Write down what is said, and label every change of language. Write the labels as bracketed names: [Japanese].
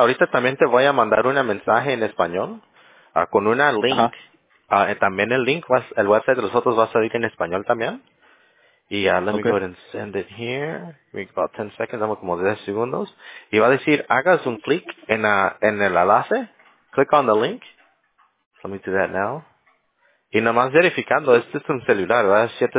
[Spanish] Ahorita también te voy a mandar un mensaje en español con una link. También el link, el website de nosotros va a salir en español también. [English] Y let me go ahead and send it here. Give me about 10 seconds, [Spanish] damos como 10 segundos. Y va a decir, hagas un clic en el enlace. [English] Click on the link. Let me do that now. [Spanish] Y nomás verificando, este es un celular, ¿verdad?